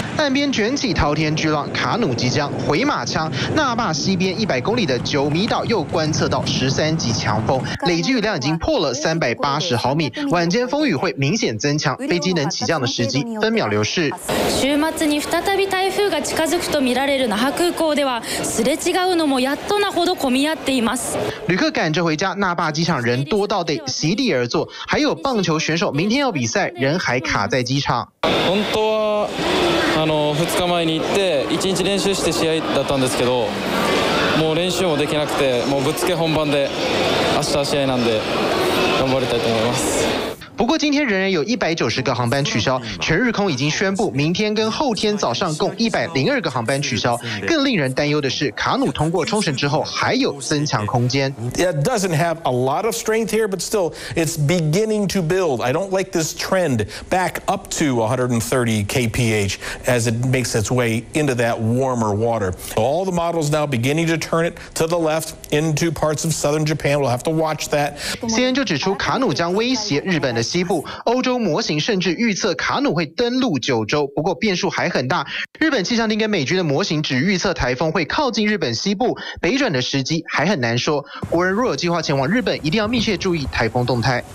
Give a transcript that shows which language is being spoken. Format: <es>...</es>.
<zh>岸边卷起滔天巨浪，卡努即将回马枪。那霸西边100公里的九米岛又观测到13级强风，累计雨量已经破了380毫米。晚间风雨会明显增强，飞机能起降的时机分秒流逝。</zh> <ja>週末に再び台風が近づくと見られる那覇空港では、すれ違うのもやっとなほど混み合っています。</ja> <zh>旅客赶着回家，那霸机场人多到得席地而坐。还有棒球选手明天要比赛，人还卡在机场。</zh> <ja>本当は2日前に行って1日練習して試合だったんですけど、もう練習もできなくて、もうぶつけ本番で明日試合なんで頑張りたいと思います。</ja> <zh>不过今天仍然有190个航班取消，全日空已经宣布明天跟后天早上共102个航班取消。更令人担忧的是，卡努通过冲绳之后还有增强空间。</zh> <en>It doesn't have a lot of strength here, but still, it's beginning to build. I don't like this trend back up to 130 kph as it makes its way into that warmer water. All the models now beginning to turn it to the left into parts of southern Japan. We'll have to watch that.</en> <zh>CNN 就指出，卡努将威胁日本的。西部欧洲模型甚至预测卡努会登陆九州，不过变数还很大。日本气象厅跟美军的模型只预测台风会靠近日本西部，北转的时机还很难说。国人若有计划前往日本，一定要密切注意台风动态。</zh>